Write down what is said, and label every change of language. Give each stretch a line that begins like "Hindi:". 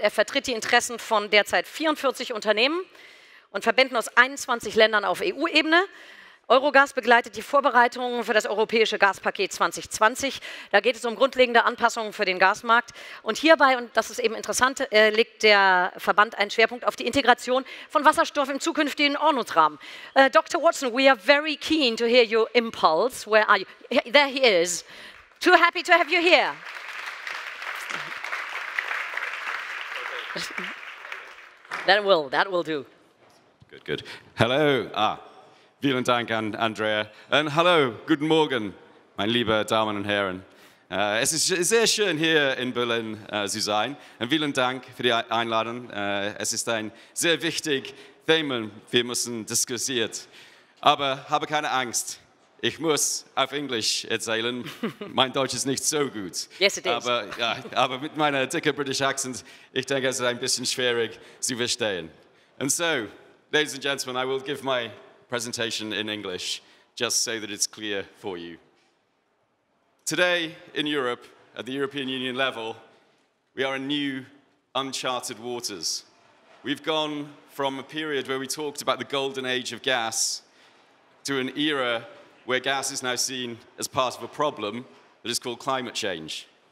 German: Er vertritt die Interessen von derzeit 44 Unternehmen und Verbänden aus 21 Ländern auf EU-Ebene. Eurogas begleitet die Vorbereitungen für das europäische Gaspaket 2020. Da geht es um grundlegende Anpassungen für den Gasmarkt. Und hierbei, und das ist eben interessant, legt der Verband einen Schwerpunkt auf die Integration von Wasserstoff im zukünftigen Ordnungsrahmen.
English: Dr. Watson, we are very keen to hear your impulse. Where are you? There he is. Too happy to have you here. Okay. That will do. Good, good. Hello.
German: Vielen Dank an Andrea. Und hallo, guten Morgen, meine lieben Damen und Herren. Es ist sehr schön, hier in Berlin zu sein. Und vielen Dank für die Einladung. Es ist ein sehr wichtiges Thema, wir müssen diskutieren. Aber habe keine Angst, ich muss auf Englisch erzählen. Mein Deutsch ist nicht so gut.
English: Yes, it is.
German: Aber, ja, aber mit meiner dicken British Accent, ich denke, es ist ein bisschen schwierig zu verstehen. Und so,
English: ladies and gentlemen, I will give my presentation in English, just so that it's clear for you. Today in Europe, at the European Union level, we are in new, uncharted waters. We've gone from a period where we talked about the golden age of gas to an era where gas is now seen as part of a problem that is called climate change.